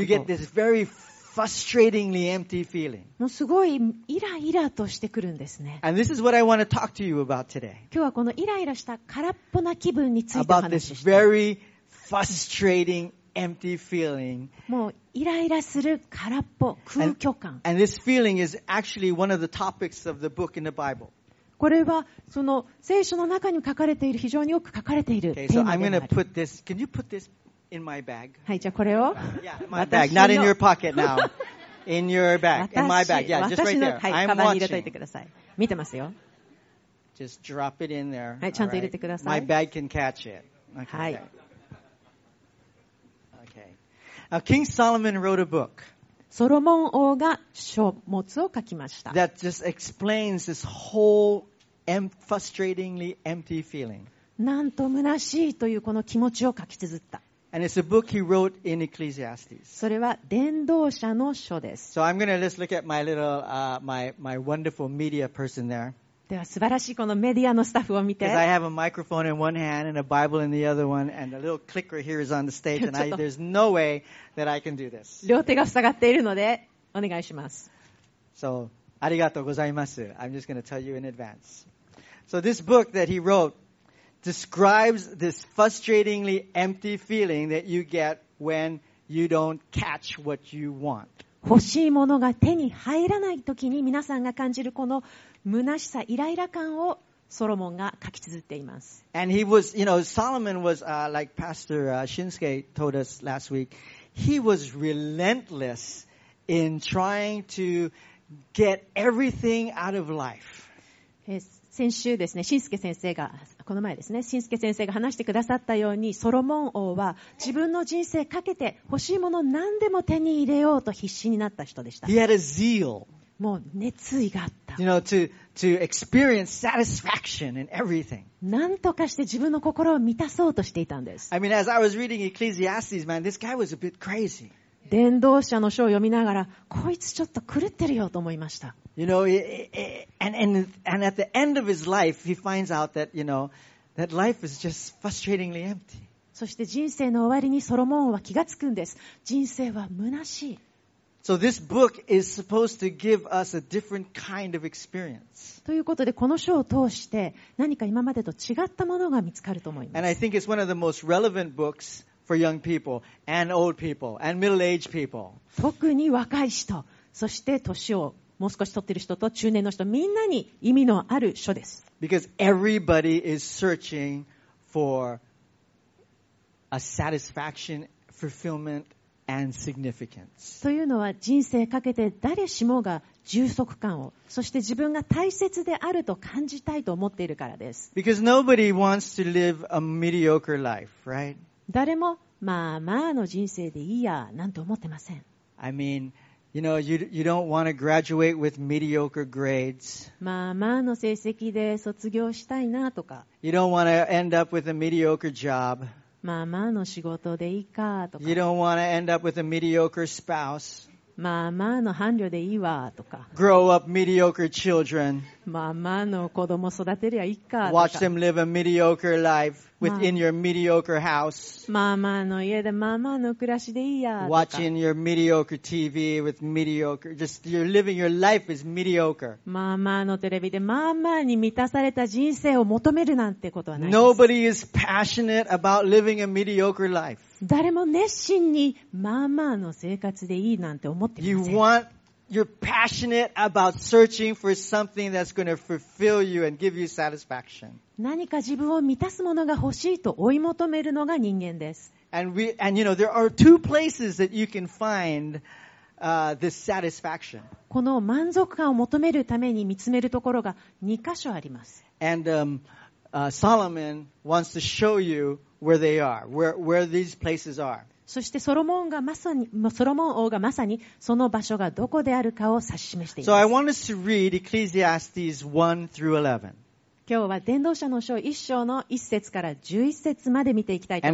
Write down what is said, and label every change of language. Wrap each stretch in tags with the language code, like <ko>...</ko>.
<en>you get this very frustratingly empty feeling.</en> <ja>もうすごいイライラとしてくるんですね。</ja> <en>And this is what I want to talk to you about today.</en> <ja>今日はこのイライラした空っぽな気分について話して。</ja> <en>About this very frustrating empty feeling.</en> <ja>イライラする空っぽ空虚感</ja> <en>and this feeling is actually one of the topics of the book in the Bible.</en> <ja>これはその聖書の中に書かれている非常によく書かれているテーマである</ja> <en>Okay, so I'm going to put this. Can you put this in my bag?</en> <ja>はい、じゃあこれを</ja> <en>Yeah, my bag. Not in your pocket now. In your bag. In my bag. Yeah, just right there. I'm watching.</en> <ja>カバンに入れといてください。見てますよ。</ja> <en>Just drop it in there.</en> <ja>はい、ちゃんと入れてください。</ja> <en>My bag can catch it.</en> <ja>はい。</ja> <en>Now, King Solomon wrote a book.</en> <ja>ソロモン王が書物を書きました。</ja> <en>That just explains this whole frustratingly empty feeling.</en> <ja>なんと虚しいというこの気持ちを書き綴った。</ja> <en>And it's a book he wrote in Ecclesiastes.</en> <ja>それは伝道者の書です。</ja> <en>So I'm gonna just look at my little, my wonderful media person there.</en> <ja>では素晴らしいこのメディアのスタッフを見て。</ja> <en>I have a microphone in one hand and a Bible in the other one and a little clicker here is on the stage and there's no way that I can do this.</en> <ja>両手が塞がっているのでお願いします。 So, ありがとうございます。</ja> <en>I'm just going to tell you in advance. So this book that he wrote describes this frustratingly empty feeling that you get when you don't catch what you want.</en> <ja>欲しいものが手に入らないときに皆さんが感じるこの虚しさ、イライラ感をソロモンが書き綴っています。</ja> <en>And he was, you know, Solomon was, like Pastor Shinsuke told us last week, he was relentless in trying to get everything out of life.</en> <ja>先週ですね、シンスケ先生が、この前ですね、シンスケ先生が話してくださったように、ソロモン王は自分の人生かけて欲しいものを何でも手に入れようと必死になった人でした。</ja> <en>He had a zeal.</en> <ja>もう熱意があった。</ja> <en>You know, to experience satisfaction in everything.</en> <ja>何とかして自分の心を満たそうとしていたんです。</ja> <en>I mean, as I was reading Ecclesiastes, man, this guy was a bit crazy.</en> <ja>伝道者の書を読みながら、こいつちょっと狂ってるよと思いました。</ja> <en>You know, and at the end of his life, he finds out that, you know, that life is just frustratingly empty.</en> <ja>そして人生の終わりにソロモンは気がつくんです。人生は虚しい。</ja> <en>So this book is supposed to give us a different kind of experience.</en> <ja>ということで、この書を通して何か今までと違ったものが見つかると思います。</ja> <en>And I think it's one of the most relevant books. For young people and old people and middle-aged people.</en> <ja>特に若い人、そして年をもう少し取っている人と中年の人、みんなに意味のある書です。</ja> <en>Because everybody is searching for a satisfaction, fulfillment, and significance.</en> <ja>というのは人生かけて誰しもが充足感を、そして自分が大切であると感じたいと思っているからです。</ja> <en>Because nobody wants to live a mediocre life, right?</en> <ja>誰もまあまあの人生でいいやなんて思ってません。</ja> <en>I mean, you know, you don't want to graduate with mediocre grades.</en> <ja>まあまあの成績で卒業したいなとか。</ja> <en>You don't want to end up with a mediocre job.</en> <ja>まあまあの仕事でいいかとか。</ja> <en>You don't want to end up with a mediocre spouse.</en> <ja>まあまあの伴侶でいいわとか。</ja> <en>Grow up mediocre children.</en> <ja>まあまあの子供育てりゃいいかとか。</ja> <en>Watch them live a mediocre life. Within your mediocre house.</en> <ja>まあまあの家でまあまあの暮らしでいいや。</ja> <en>Watching your mediocre TV with mediocre, just you're living your life is mediocre.</en> <ja>まあまあのテレビでまあまあに満たされた人生を求めるなんてことはないです。</ja> <en>Nobody is passionate about living a mediocre life.</en> <ja>誰も熱心にまあまあの生活でいいなんて思っていません。</ja> <en>You want You're passionate about searching for something that's going to fulfill you and give you satisfaction.</en> <ja>何か自分を満たすものが欲しいと追い求めるのが人間です。</ja> <en>And you know, there are two places that you can find, this satisfaction.</en> <ja>この満足感を求めるために見つめるところが2箇所あります。</ja> <en>And, Solomon wants to show you where they are, where these places are.</en> <ja>そしてソロモンがまさに、ソロモン王がまさにその場所がどこであるかを指し示しています</ja> <en>。So I want us to read Ecclesiastes 1 through 11.</en> <ja>今日は伝道者の書1章の1節から11節まで見ていきたいと思</ja>